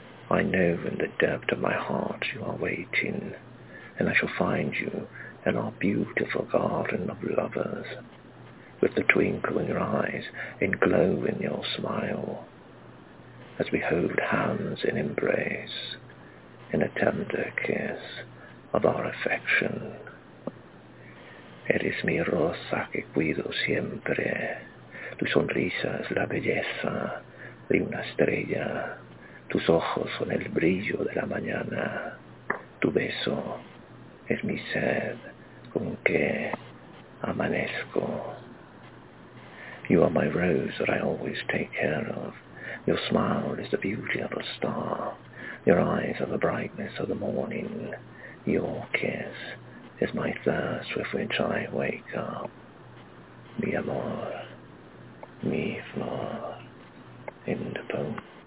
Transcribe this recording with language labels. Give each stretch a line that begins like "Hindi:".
English: I know in the depth of my heart you are waiting, and I shall find you in our beautiful garden of lovers, with the twinkle in your eyes and glow in your smile, as we hold hands in embrace, in a tender kiss of our affection.
Spanish: Eres mi rosa que cuido siempre, tu sonrisa es la belleza de una estrella. Tus ojos son el brillo de la mañana. Tu beso es mi sed con que amanezco.
English: You are my rose that I always take care of. Your smile is the beauty of a star. Your eyes are the brightness of the morning. Your kiss is my thirst with which I wake up.
Spanish: Mi amor, mi flor,
English: in the poem.